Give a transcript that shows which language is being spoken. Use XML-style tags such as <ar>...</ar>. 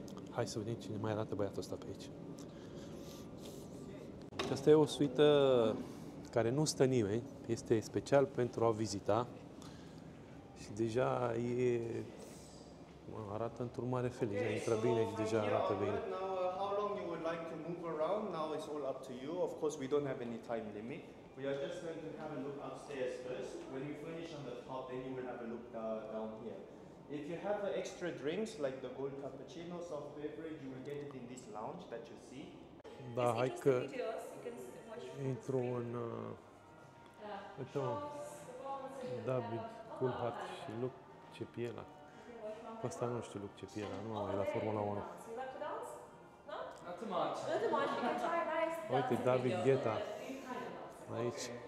<ro>Hai să vedem cine mai arată băiatul ăsta pe aici. Asta e o suită care nu stă nimeni, este special pentru a vizita. Și deja e, mă, arată într-un mare fel, deja intră bine și deja arată bine.</ro> <en>How long you would like to move around? Now it's all up to you. Of course, we don't have any time limit. We are just going to have a look upstairs first. When you finish on the top, then you will have a look down here. If you have extra drinks, like the gold cappuccino, soft beverage, you will get it in this lounge that you see.</en> <ro>Da, hai că intru în... Uite, mă, David Coulthard și Luc Cepiela. Cu ăsta nu știu Luc Cepiela, nu am la Formula 1. Uite, David Guetta. Aici.</ro>